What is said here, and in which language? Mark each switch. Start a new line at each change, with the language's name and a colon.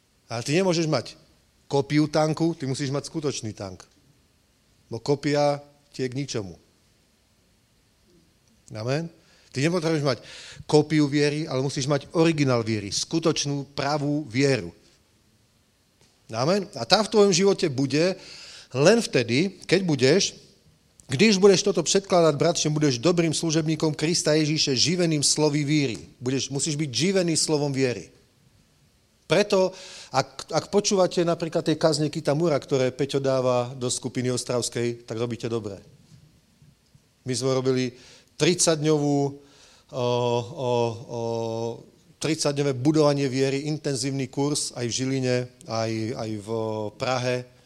Slovak: Ale ty nemôžeš mať kopiu tanku, ty musíš mať skutočný tank. Bo kopia tie k ničomu. Amen? Ty nepotrebuješ mať kopiu viery, ale musíš mať originál viery, skutočnú, pravú vieru. Amen? A tá v tvojom živote bude len vtedy, keď budeš,
Czech: když budeš toto předkládat, bratře, budeš dobrým služebníkom Krista Ježíše, živeným slovy víry.
Slovak: Musíš byť živený slovom viery. Preto, ak počúvate napríklad tie kazne Kitamura, ktoré Peťo dáva do skupiny Ostravskej, tak robíte dobre. My sme robili 30-dňové budovanie viery, intenzívny kurz aj v Žiline, aj v Prahe.